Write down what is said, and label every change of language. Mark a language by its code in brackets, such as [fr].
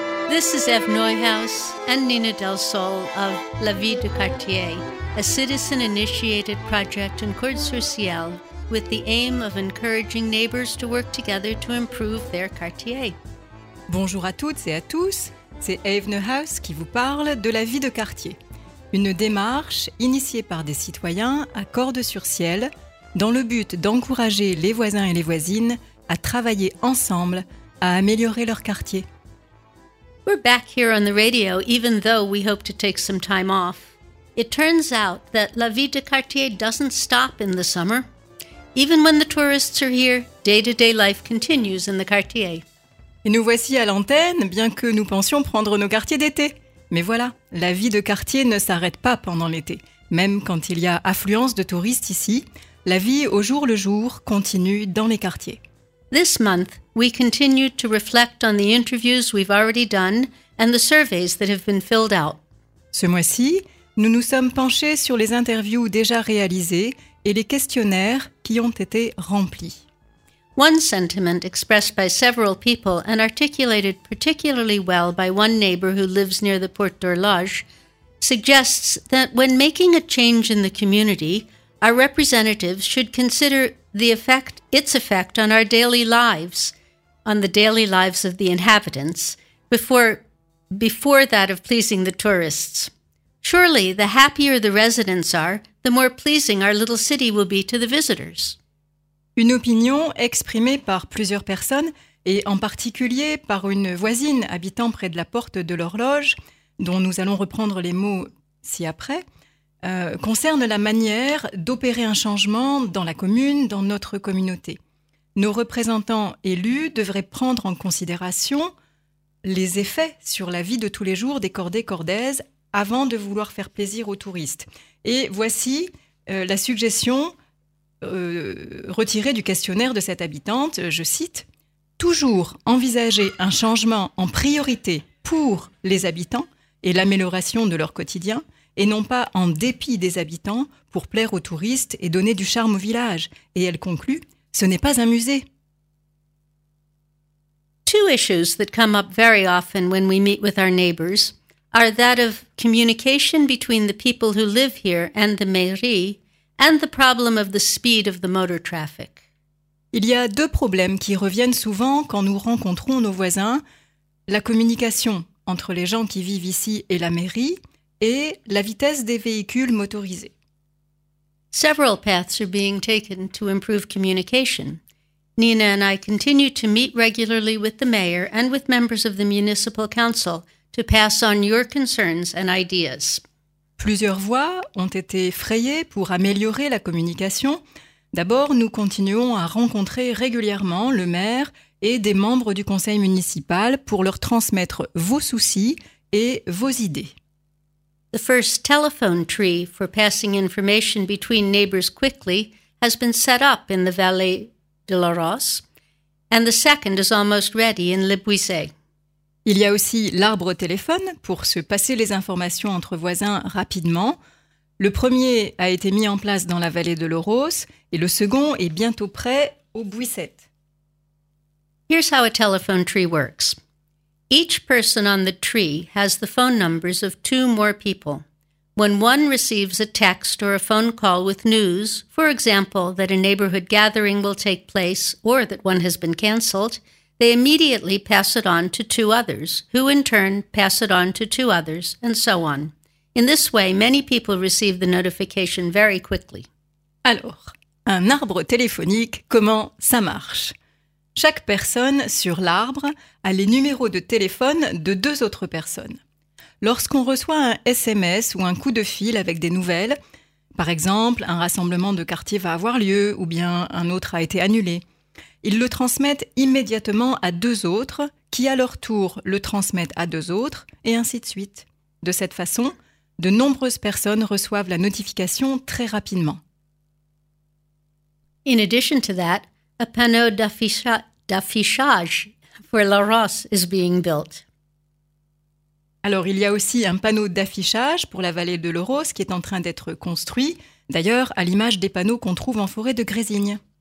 [en] This is Ev Neuhaus and Nina Del Sol of La Vie de Quartier, a citizen-initiated project in Courtes-sur-Ciel with the aim of encouraging neighbors to work together to improve their quartier. [fr] Bonjour à toutes et à tous, c'est Ev Neuhaus qui vous parle de La Vie de Quartier, une démarche initiée par des citoyens à Courtes-sur-Ciel dans le but d'encourager les voisins et les voisines à travailler ensemble à améliorer leur quartier. [en] We're back here on the radio, even though we hope to take some time off. It turns out that La Vie de Quartier doesn't stop in the summer. Even when the tourists are here, day-to-day life continues in the quartier. [fr] Et nous voici à l'antenne, bien que nous pensions prendre nos quartiers d'été. Mais voilà, la vie de quartier ne s'arrête pas pendant l'été. Même quand il y a affluence de touristes ici, la vie au jour le jour continue dans les quartiers. [en] This month, we continued to reflect on the interviews we've already done and the surveys that have been filled out. [fr] Ce mois-ci, nous nous sommes penchés sur les interviews déjà réalisées et les questionnaires qui ont été remplis. [en] One sentiment expressed by several people and articulated particularly well by one neighbor who lives near the Porte d'Horloge suggests that when making a change in the community, our representatives should consider its effect on our daily lives, on the daily lives of the inhabitants, before that of pleasing the tourists. Surely, the happier the residents are, the more pleasing our little city will be to the visitors. [fr] Une opinion exprimée par plusieurs personnes, et en particulier par une voisine habitant près de la Porte de l'Horloge, dont nous allons reprendre les mots ci-après, concerne la manière d'opérer un changement dans la commune, dans notre communauté. Nos représentants élus devraient prendre en considération les effets sur la vie de tous les jours des Cordais-Cordaises avant de vouloir faire plaisir aux touristes. Et voici la suggestion retirée du questionnaire de cette habitante, je cite, « Toujours envisager un changement en priorité pour les habitants et l'amélioration de leur quotidien » et non pas en dépit des habitants, pour plaire aux touristes et donner du charme au village. Et elle conclut, ce n'est pas un musée. [en] Two issues that come up very often when we meet with our neighbors are that of communication between the people who live here and the mairie, and the problem of the speed of the motor traffic. [fr] Il y a deux problèmes qui reviennent souvent quand nous rencontrons nos voisins, la communication entre les gens qui vivent ici et la mairie, et la vitesse des véhicules motorisés. [en] Several paths are being taken to improve communication. Nina and I continue to meet regularly with the mayor and with members of the municipal council to pass on your concerns and ideas. [fr] Plusieurs voies ont été frayées pour améliorer la communication. D'abord, nous continuons à rencontrer régulièrement le maire et des membres du conseil municipal pour leur transmettre vos soucis et vos idées. [en] The first telephone tree for passing information between neighbors quickly has been set up in the Vallée de la Rosse, and the second is almost ready in Le Buisset. [fr] Il y a aussi l'arbre téléphone pour se passer les informations entre voisins rapidement. Le premier a été mis en place dans la Vallée de la Rosse, et le second est bientôt prêt au Buisset. [en] Here's how a telephone tree works. Each person on the tree has the phone numbers of two more people. When one receives a text or a phone call with news, for example, that a neighborhood gathering will take place or that one has been cancelled, they immediately pass it on to two others, who in turn pass it on to two others, and so on. In this way, many people receive the notification very quickly. [fr] Alors, un arbre téléphonique, comment ça marche? Chaque personne sur l'arbre a les numéros de téléphone de deux autres personnes. Lorsqu'on reçoit un SMS ou un coup de fil avec des nouvelles, par exemple un rassemblement de quartier va avoir lieu ou bien un autre a été annulé, ils le transmettent immédiatement à deux autres qui à leur tour le transmettent à deux autres et ainsi de suite. De cette façon, de nombreuses personnes reçoivent la notification très rapidement. [en] In addition to that, a panneau d'affichage for La Rosse is being built. [fr] Alors, il y a aussi un panneau d'affichage pour la vallée de La Rosse qui est en train d'être construit, d'ailleurs à l'image des panneaux qu'on trouve en forêt de Grésigne.